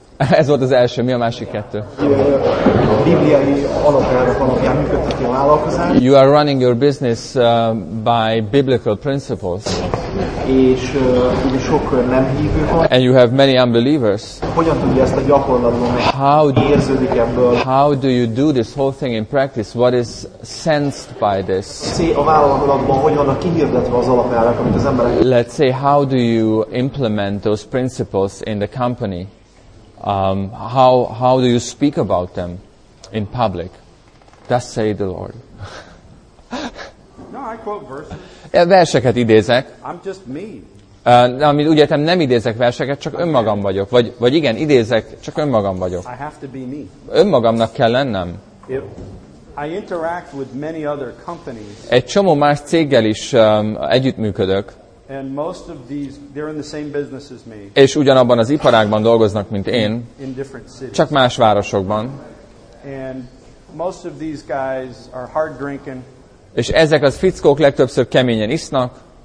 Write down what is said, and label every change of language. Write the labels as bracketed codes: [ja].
[hu] Ez volt az első, mi a másik kettő? Bibliai alapelvek alapján működtetik a vállalkozást. [en] You are running your business by biblical principles. [hu] És ugye sok nem hívő van. [en] And you have many unbelievers. [hu] Hogyan tudja ezt a gyakorlatban érződik ebből? [en] How do you do this whole thing in practice? What is sensed by this? [hu] A vállalatban hogyan a kihirdetve az alapelvek, amit az emberek... [en] Let's say, how do you implement those principles in the company? How do you speak about them in public? Thus say the Lord. No, I quote verses. [hu] Verseket idézek. [en] I'm just me. [hu] Amit úgy értem, nem idézek verseket, csak önmagam vagyok. Vagy igen, idézek, csak önmagam vagyok. [en] I have to be me. [hu] Önmagamnak kell lennem. [en] I interact with many other companies. [hu] Egy csomó más céggel is együttműködök. [en] And most of these, they're in the same business as me. [hu] És ugyanabban az iparágban dolgoznak, mint én, [en] in different cities. [hu] Csak más városokban. [en] And most of these guys are hard drinking. [hu] És ezek az fickók legtöbbször keményen isznak.